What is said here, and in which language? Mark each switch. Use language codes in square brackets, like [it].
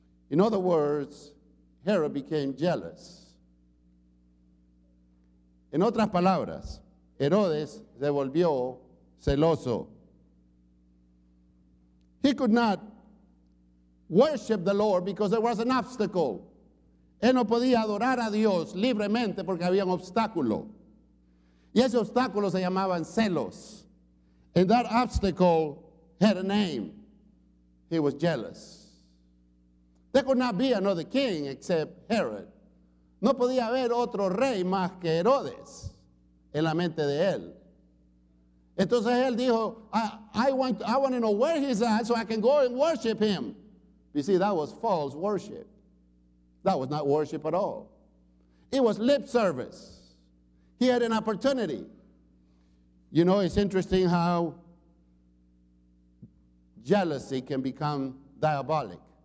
[en] In other words, Herod became jealous. [es] En otras palabras, Herodes se volvió celoso. [en] He could not worship the Lord because there was an obstacle. [es] Él no podía adorar a Dios libremente porque había un obstáculo. Y ese obstáculo se llamaban celos. [en] And that obstacle had a name. He was jealous. There could not be another king except Herod. [es] No podía haber otro rey más que Herodes en la mente de él. Entonces él dijo, [en] I want to know where he's at so I can go and worship him. You see, that was false worship. That was not worship at all. It was lip service. He had an opportunity. You know, it's interesting how jealousy can become diabolic.